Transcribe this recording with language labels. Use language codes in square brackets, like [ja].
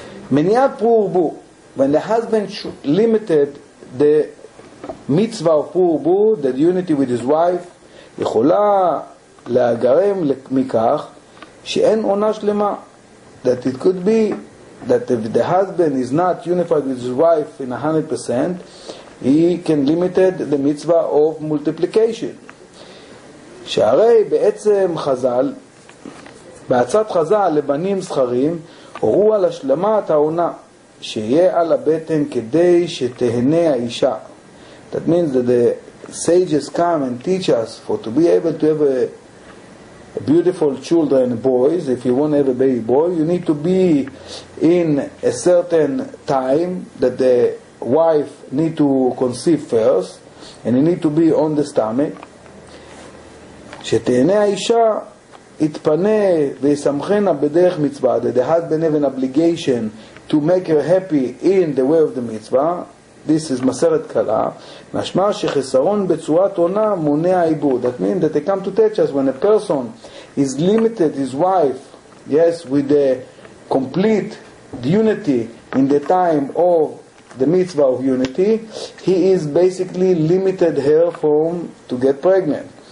[en] Meniat Pur Bu, when the husband limited the mitzvah of Pur Bu, the unity with his wife, [he] יכולה להגרם מכך שאין עונה שלמה. [en] That it could be that if the husband is not unified with his wife in 100%, he can limit the mitzvah of multiplication. [he] שהרי בעצם חזל, בעצת חזל לבנים זכרים, הורו על השלמת העונה שיהיה על הבטן כדי שתהנה האישה. [en] That means that the sages come and teach us for to be able to have a beautiful children, boys, if you want to have a baby boy, you need to be in a certain time that the wife need to conceive first, and you need to be on the stomach. [he] שתהנה האישה יתפנה וישמחנה בדרך מצווה, [en] that the husband have an obligation to make her happy in the way of the mitzvah. This is [he] מסרת קלה. משמע שחסרון בצורת עונה מונע עיבוד. [en] That means that they come to teach us when a person is limited his wife, yes, with the complete unity in the time of the mitzvah of unity, he is basically limited her from to get pregnant.